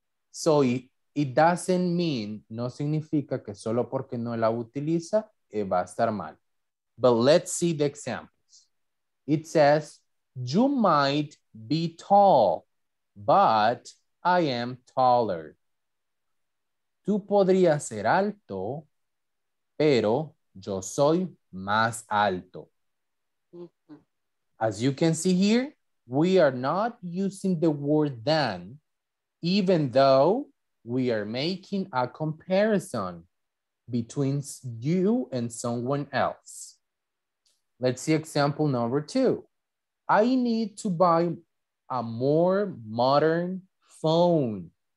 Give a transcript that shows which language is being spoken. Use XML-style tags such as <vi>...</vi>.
<en>So it doesn't mean,</en> <es>no significa que solo porque no la utiliza, va a estar mal.</es> <en>But let's see the examples. It says, you might be tall, but I am taller.</en> <es>Tú podrías ser alto, pero yo soy más alto.</es> <en>As you can see here, we are not using the word than, even though we are making a comparison between you and someone else. Let's see example number two. I need to buy a more modern phone.</en>